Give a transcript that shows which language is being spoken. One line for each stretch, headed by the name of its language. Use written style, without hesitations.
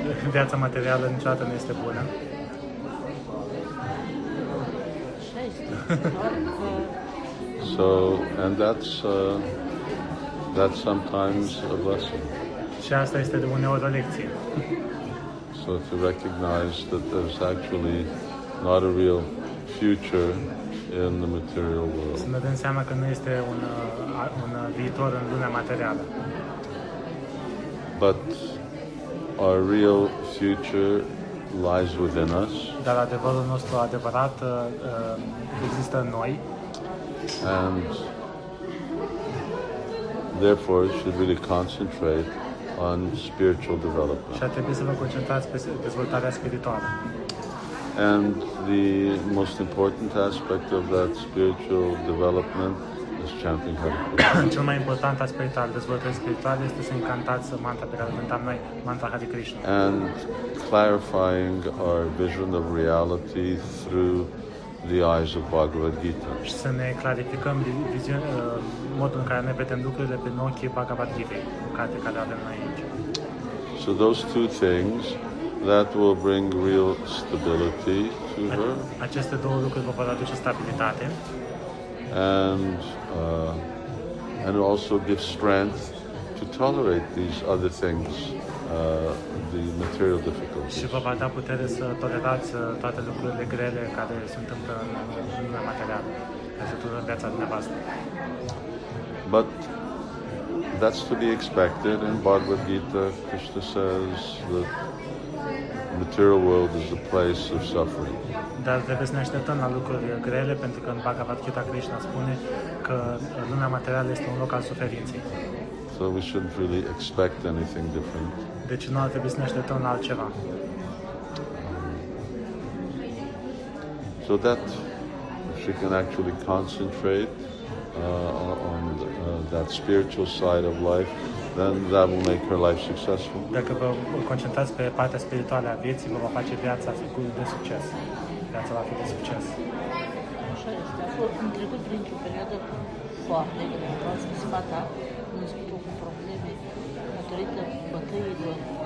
Romanian: Viața materială niciodată nu este bună.
English: So, and that's sometimes a lesson.
Romanian: Și asta este de uneori o lecție.
English: So to recognize that there's actually not a real future in the material world.
Romanian: Să ne dăm seama că nu este un viitor în lumea materială.
English: But our real future lies within us.
Romanian: Dar adevărul nostru adevărat există în noi.
English: And therefore should really concentrate on spiritual development.
Romanian: Și trebuie să vă concentrați pe dezvoltarea spirituală.
English: And the most important aspect of that spiritual development is chanting Hare Krishna.
Romanian: Cel mai important aspect al dezvoltării spirituale este să încântați mantra pe care cântăm noi, mantra Hare Krishna.
English: And clarifying our vision of reality through the eyes of Bhagavad Gita.
Romanian: Și să ne clarificăm modul în care ne vedem lucrurile prin ochii Bhagavad Gita, cartea care avem noi aici.
English: So those two things, that will bring real stability to her.
Romanian: Aceste două lucruri vă vor aduce stabilitate.
English: And also give strength to tolerate these other things, the material difficulties.
Romanian: Și vă va da putere să tolerați toate lucrurile grele care se întâmplă în lumea materială, în jurul viața dumneavoastră.
English: But that's to be expected. In Bhagavad Gita, Krishna says that the material world is a place of suffering.
Romanian: Dar trebuie să ne așteptăm la lucruri grele, pentru că în Bhagavad Gita Krishna spune că lumea materială este un loc al suferinței.
English: So we shouldn't really expect anything different.
Romanian: Deci nu ar trebui să ne așteptăm la altceva.
English: So that she can actually concentrate on that spiritual side of life, then that will make her life successful.
Romanian: Dacă vă concentrați pe partea spirituală a vieții, vă va face viața de succes. Viața va fi de succes. Așa este. Am trecut printr-o perioadă foarte grea. Am fost în spata, am început cu probleme datorită bătăilor.